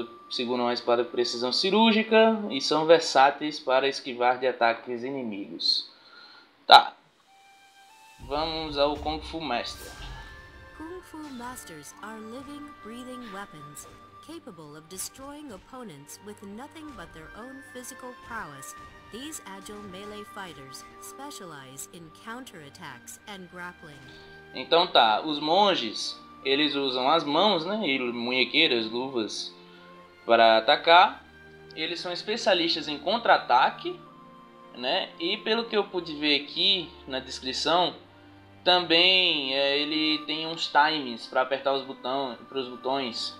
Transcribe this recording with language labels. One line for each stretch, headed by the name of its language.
Portuguese: Seguram a espada com precisão cirúrgica e são versáteis para esquivar de ataques inimigos. Tá. Vamos ao Kung Fu Master.
English: Kung Fu Masters are living, breathing weapons, capable of destroying opponents with nothing but their own physical prowess. These agile melee fighters specialize in counter-attacks and grappling.
Portuguese: Então tá, os monges, eles usam as mãos, né, e munhequeiras, luvas, para atacar. Eles são especialistas em contra-ataque, né? E pelo que eu pude ver aqui na descrição, também ele tem uns timings para apertar os botões.